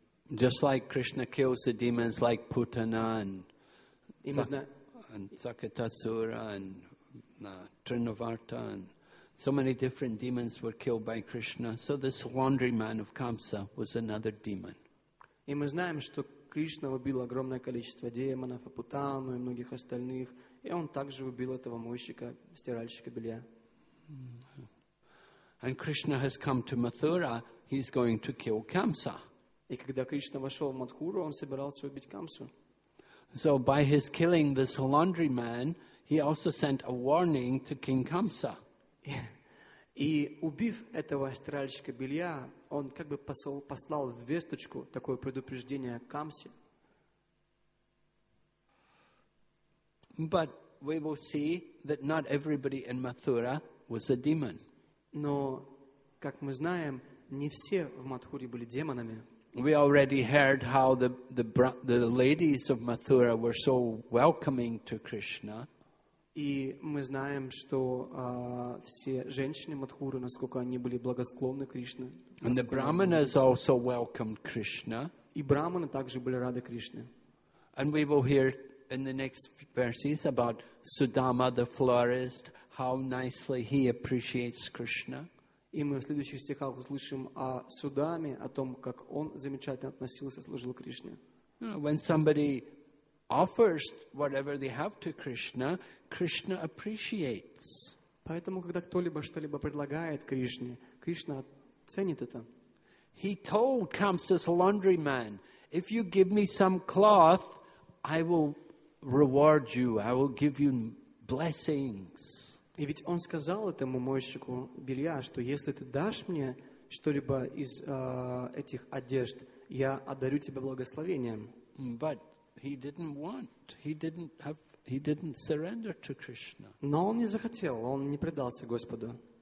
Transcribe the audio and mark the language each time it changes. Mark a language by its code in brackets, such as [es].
[en] Just like Krishna kills the demons like Putana and Sakatasura and Trinavarta and so many different demons were killed by Krishna. So this laundry man of Kamsa was another demon. [ru] И мы знаем, что Кришна убил огромное количество демонов, Апутану и многих остальных, и он также убил этого мойщика, стиральщика белья. [en] And Krishna has come to Mathura. He's going to kill Kamsa. [ru] И когда Кришна вошел в Матхуру, он собирался убить Камсу. [en] So by his killing this laundry man, he also sent a warning to King Kamsa. [ru] И убив этого стиральщика белья, он как бы послал весточку, такое предупреждение Камсе. [en] But we will see that not everybody in Mathura was a demon. [ru] Но, как мы знаем, не все в Матхуре были демонами. [en] We already heard how the ladies of Mathura were so welcoming to Krishna. [ru] И мы знаем, что все женщины Мадхуры, насколько они были благосклонны Кришне. [en] And the brahmanas also welcomed Krishna. [ru] И брахманы также были рады Кришне. [en] And we will hear in the next verses about Sudama, the florist, how nicely he appreciates Krishna. [ru] И мы в следующих стихах услышим о Судаме, о том, как он замечательно относился, служил Кришне. [en] When somebody offers whatever they have to Krishna, Krishna appreciates. [ru] Поэтому, когда кто-либо что-либо предлагает Кришне, Кришна ценит это. [en] He told Kamsa's laundry man, if you give me some cloth, I will reward you, I will give you blessings. [ru] И ведь он сказал этому мойщику белья, что если ты дашь мне что-либо из этих одежд, я одарю тебя благословением. [en] But he didn't want. He didn't surrender to Krishna. [ru] Но он не захотел. Он не предался Господу.